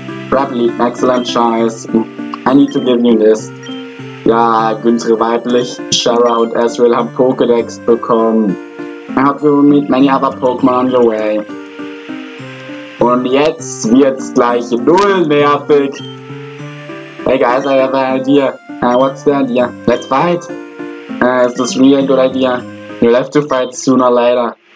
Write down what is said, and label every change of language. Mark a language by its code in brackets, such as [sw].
[en] Probably, excellent choice. I need to give you this. [de] Ja, Günther weiblich, Chara und Ezreal haben Pokédex bekommen. [en] I hope you will meet many other Pokémon on your way. [de] Und jetzt wird's gleich null nervig. [en] Hey guys, I have an idea. What's the idea? Let's fight! Is this really a good idea? You'll have to fight sooner or later.